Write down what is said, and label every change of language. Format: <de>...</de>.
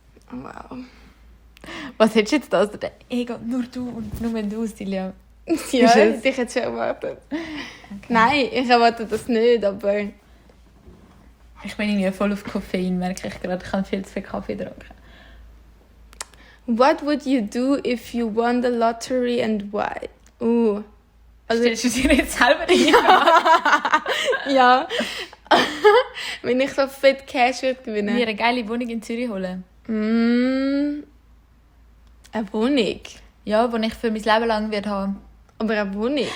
<de>Wow. Was hättest du jetzt da aus der Ego? Nur du und nur du, Silja. Ja, ich hätte es schon erwartet. Okay. Nein, ich erwarte das nicht, aber... Ich bin ja voll auf Koffein, merke ich gerade. Ich habe viel zu viel Kaffee getrunken.</de> <en>What would you do if you won the lottery and why?</en> <de>Also, stellst du dir jetzt selber die Frage? Ja. Wenn ich so fett Cash würde gewinnen. Mir eine geile Wohnung in Zürich holen. Eine Wohnung? Ja, den ich für mein Leben lang werde haben. Aber eine Wohnung?</de>